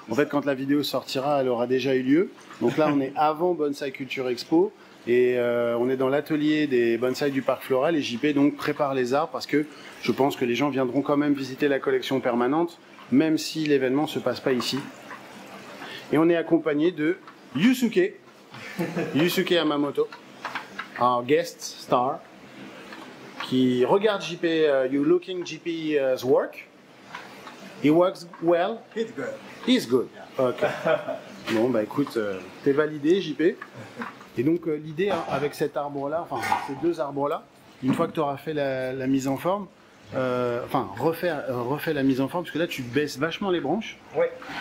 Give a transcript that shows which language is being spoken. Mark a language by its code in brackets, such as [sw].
[fr] En fait, quand la vidéo sortira, elle aura déjà eu lieu. Donc là, on est avant Bonsaï Culture Expo et on est dans l'atelier des bonsaï du parc floral et JP donc prépare les arbres parce que je pense que les gens viendront quand même visiter la collection permanente, même si l'événement se passe pas ici. Et on est accompagné de Yusuke. [en] Yusuke Yamamoto, our guest star, [fr] qui regarde JP, [en] you looking JP's work. He works well. He's good. He's good. Ok. [fr] Bon, bah écoute, t'es validé, JP. Et donc, l'idée hein, avec cet arbre-là, enfin, ces deux arbres-là, une fois que tu auras fait la mise en forme, enfin, refait la mise en forme, parce que là, tu baisses vachement les branches. Ouais.